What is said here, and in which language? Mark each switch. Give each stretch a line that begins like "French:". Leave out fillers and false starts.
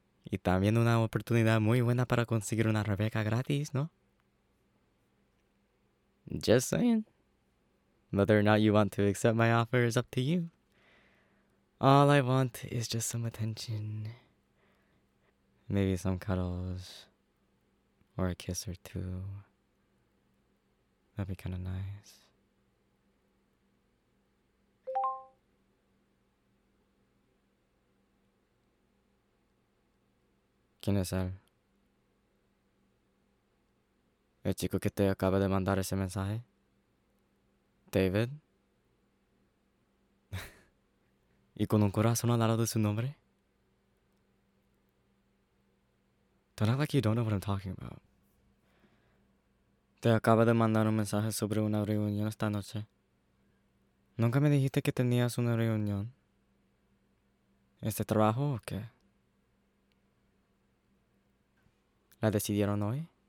Spanish: Y también una oportunidad muy buena para conseguir una Rebeca gratis, ¿no?
English: Just saying. Whether or not you want to accept my offer is up to you. All I want is just some attention. Maybe some cuddles. Or a kiss or two. That'd be kind of nice.
Spanish: ¿Quién es él? ¿El chico que te acaba de mandar ese mensaje? David. ¿Y con un corazón al lado de su nombre?
English: Don't act like you don't know what I'm talking about.
Spanish: Te acaba de mandar un mensaje sobre una reunión esta noche. ¿Nunca me dijiste que tenías una reunión? ¿Es de trabajo o qué? ¿La decidieron hoy?